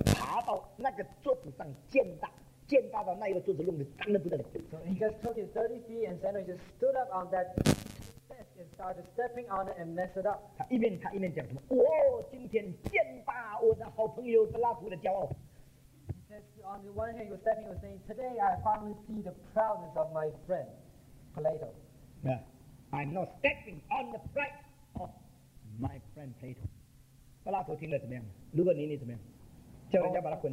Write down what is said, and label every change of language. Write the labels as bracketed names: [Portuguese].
[Chinese] 他就把那个脏的鞋子和肮脏的泥土的脚爬到那个桌子上践踏。 [English] So he just took his dirty feet and suddenly just stood up on that desk and started stepping on it and messed it up. [Chinese] 他一面讲什么，哇，今天见吧，我的好朋友柏拉图的骄傲。 [English] He says on the one hand he was stepping, he was saying, today I finally see the proudness of my friend, Plato. Yeah, I'm not stepping on the pride of my friend Plato. [Chinese] 柏拉图听了怎么样？如果你怎么样？